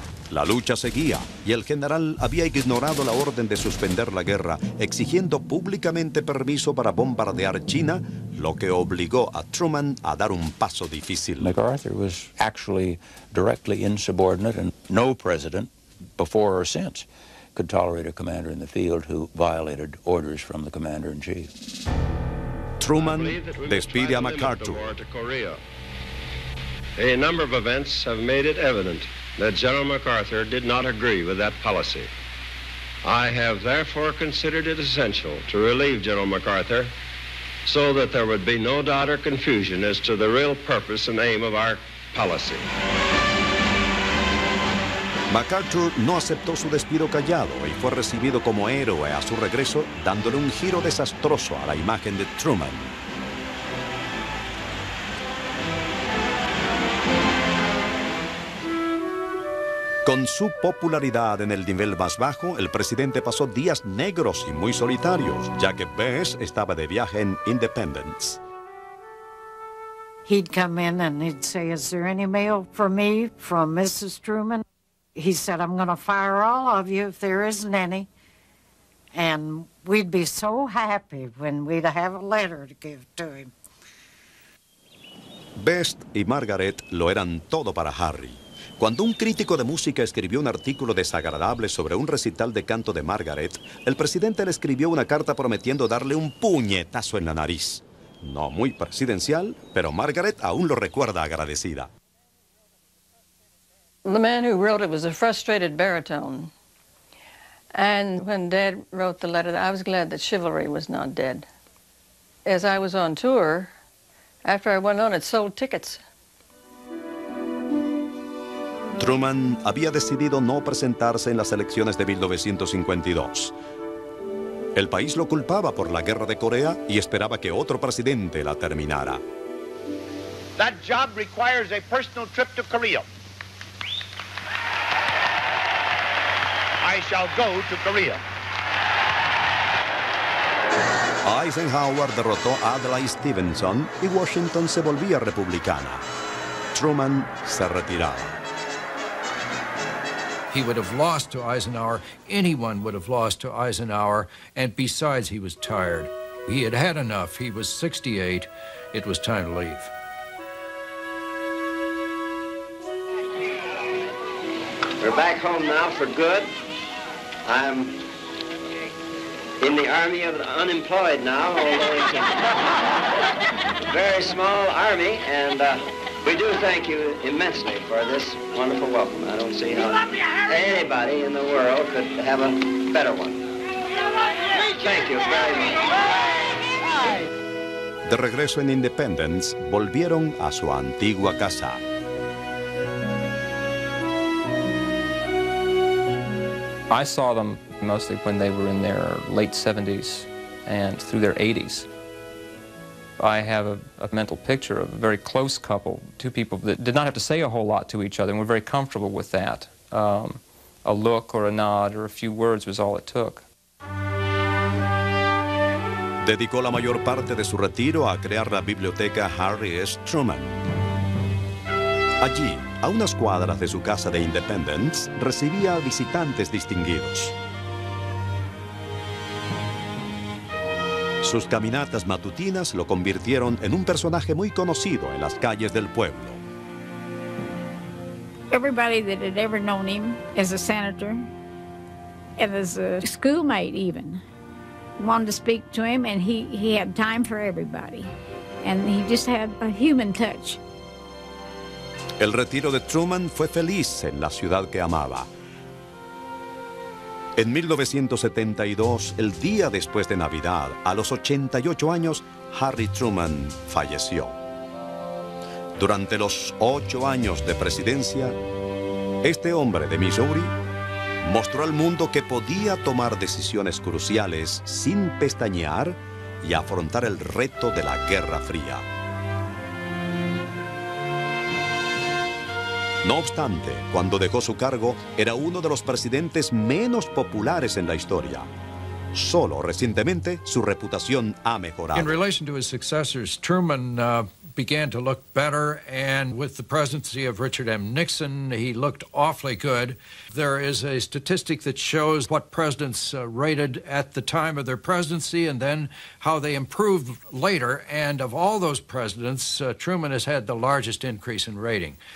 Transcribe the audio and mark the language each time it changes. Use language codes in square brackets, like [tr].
[es] La lucha seguía y el general había ignorado la orden de suspender la guerra, exigiendo públicamente permiso para bombardear China, lo que obligó a Truman a dar un paso difícil. [en] MacArthur was actually directly insubordinate, and no president before or since could tolerate a commander in the field who violated orders from the commander in chief. [es] Truman despide a MacArthur. [en] A number of events have made it evident that General MacArthur did not agree with that policy. I have therefore considered it essential to relieve General MacArthur so that there would be no doubt or confusion as to the real purpose and aim of our policy. [es] MacArthur no aceptó su despido callado y fue recibido como héroe a su regreso, dándole un giro desastroso a la imagen de Truman. Con su popularidad en el nivel más bajo, el presidente pasó días negros y muy solitarios, ya que Bess estaba de viaje en Independence. [en] He'd come in and he'd say, is there any mail for me from Mrs. Truman? He said, I'm going to fire all of you if there isn't any. And we'd be so happy when we'd have a letter to give to him. [es] Best y Margaret lo eran todo para Harry. Cuando un crítico de música escribió un artículo desagradable sobre un recital de canto de Margaret, el presidente le escribió una carta prometiendo darle un puñetazo en la nariz. No muy presidencial, pero Margaret aún lo recuerda agradecida. [en] The man who wrote it was a frustrated baritone. And when Dad wrote the letter, I was glad that chivalry was not dead. As I was on tour, after I went on, it sold tickets. [es] Truman había decidido no presentarse en las elecciones de 1952. El país lo culpaba por la guerra de Corea y esperaba que otro presidente la terminara. [en] That job requires a personal trip to Korea. I shall go to Korea. [es] Eisenhower derrotó a Adlai Stevenson y Washington se volvía republicana. Truman se retiraba. [en] He would have lost to Eisenhower. Anyone would have lost to Eisenhower. And besides, he was tired. He had had enough. He was 68. It was time to leave. We're back home now for good. I'm in the army of the unemployed now, although it's a very small army, and We do thank you immensely for this wonderful welcome. I don't see how anybody in the world could have a better one. Thank you very much. [es] De regreso en Independence, volvieron a su antigua casa. [en] I saw them mostly when they were in their late 70s and through their 80s. I have a mental picture of a very close couple, two people that did not have to say a whole lot to each other and were very comfortable with that. A look or a nod or a few words was all it took. [es] Dedicó la mayor parte de su retiro a crear la biblioteca Harry S. Truman. Allí, a unas cuadras de su casa de Independence, recibía visitantes distinguidos. Sus caminatas matutinas lo convirtieron en un personaje muy conocido en las calles del pueblo. [en] Everybody that had ever known him as a senator and as a schoolmate even wanted to speak to him, and he had time for everybody, and he just had a human touch. [es] El retiro de Truman fue feliz en la ciudad que amaba. En 1972, el día después de Navidad, a los 88 años, Harry Truman falleció. Durante los 8 años de presidencia, este hombre de Missouri mostró al mundo que podía tomar decisiones cruciales sin pestañear y afrontar el reto de la Guerra Fría. No obstante, cuando dejó su cargo, era uno de los presidentes menos populares en la historia. Solo recientemente, su reputación ha mejorado. [en] In relation to his successors, Truman began to look better, and with the presidency of Richard M. Nixon, he looked awfully good. There is a statistic that shows what presidents rated at the time of their presidency and then how they improved later, and of all those presidents, Truman has had the largest increase in rating.